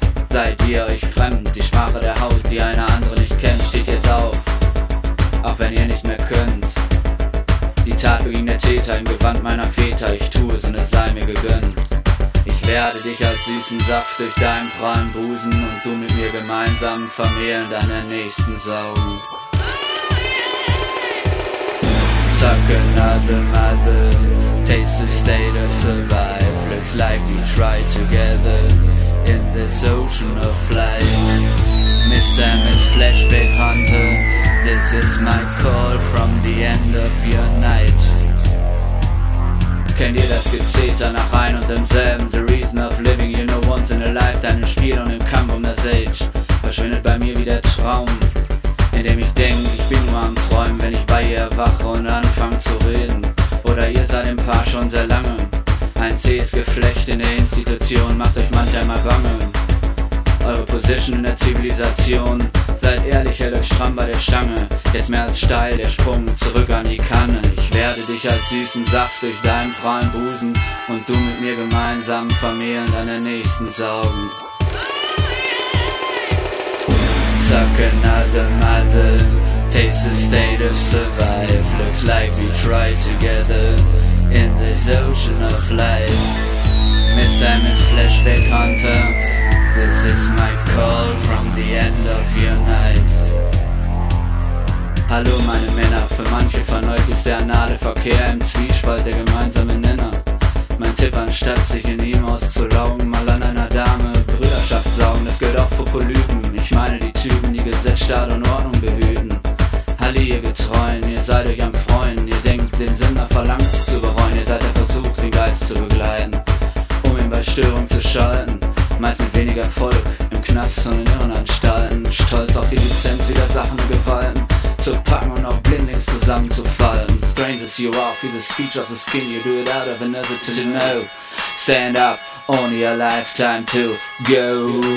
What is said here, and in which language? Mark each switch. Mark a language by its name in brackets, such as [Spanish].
[German] Seid ihr euch fremd, die Sprache der Haut, die eine andere nicht kennt, steht jetzt auf, auch wenn ihr nicht mehr könnt. Die Tat beging der Täter im Gewand meiner Väter, ich tue es und es sei mir gegönnt. Ich werde dich als süßen Saft durch deinen prallen Busen und du mit mir gemeinsam vermehren deine nächsten Saugen. [English] Suck another mother, taste the state of survive. Looks like we try together in this ocean of life. Miss Sam is Flashback Hunter, this is my call from the end of your night. [German] Kennt ihr das Gezeter nach ein und demselben? [English] The reason of living, you know once in a life. [German] Deinem Spiel und im Kampf um das Age verschwindet bei mir wie der Traum, in dem ich denk, ich bin nur am Träumen, wenn ich bei ihr erwache und anfang zu reden. Oder ihr seid im Paar schon sehr lange, ein zähes Geflecht in der Institution, macht euch manchmal bange. Eure Position in der Zivilisation, seid ehrlich, hält euch stramm bei der Stange. Jetzt mehr als steil, der Sprung zurück an die Kanne. Ich werde dich als süßen Saft durch deinen prallen Busen und du mit mir gemeinsam vermehren deine nächsten Sorgen. Suck another mother, taste the state of survive. Looks like we try together in this ocean of life. Miss Sam is Flashback Hunter, this is my call from the end of your night. Hallo meine Männer, für manche von euch ist der anale Verkehr im Zwiespalt der gemeinsame Nenner. Mein Tipp, anstatt sich in ihm auszulaugen, mal an einer Dame Brüderschaft saugen. Das gilt auch für Polypen, ich meine die Typen, die Gesetz, Staat und Ordnung behüten. Halli ihr Getreuen, ihr seid euch am Freuen, ihr denkt den Sünder verlangt zu bereuen. Ihr seid der Versuch, den Geist zu begleiten, um ihn bei Störung zu schalten. Meist mit wenig Erfolg, im Knast und in Irrenanstalten. Stolz auf die Lizenz, wieder Sachen und Gewalten zu packen und auch blindlings zusammenzufallen. [English] Strange as you are, feel the speech of the skin. You do it out of another to know. Stand up, only a lifetime to go.